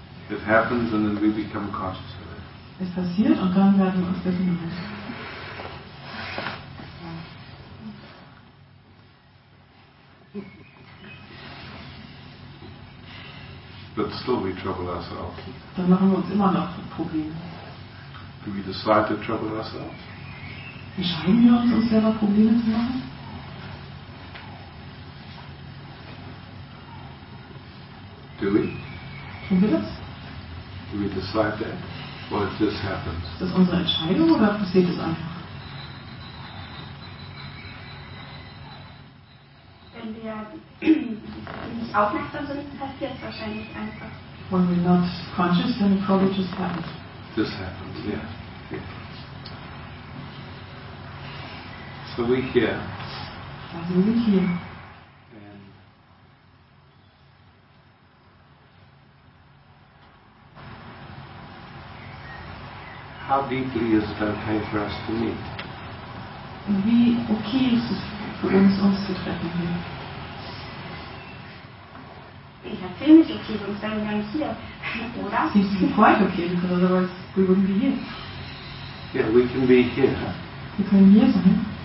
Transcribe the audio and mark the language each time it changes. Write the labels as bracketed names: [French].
[English] It happens and then we become conscious of it. [German] Es passiert und dann werden wir uns dessen bewusst. [English] But still we trouble ourselves. [German] Dann machen wir uns immer noch Probleme. [English] Do we decide to trouble ourselves? [German] Entscheiden wir uns selber Probleme zu machen? [English] Do we? [German] Tun wir das? [English] Do we decide that? Or if this happens? [German] Ist das unsere Entscheidung oder passiert es einfach? Wenn wir nicht aufmerksam sind, passiert es wahrscheinlich einfach. [English] When we're not conscious, then it probably just happens. This happens, yeah. Yeah. So we're here. [German] Also wir sind hier. [English] And how deeply is it okay for us to meet? [German] Wie okay ist es für uns zu treffen hier? Ich erzähle nicht okay, sonst wären wir ja nicht hier, oder? [English] Seems to be quite okay, because otherwise we wouldn't be here. Yeah, we can be here. [German] Wir können hier sein.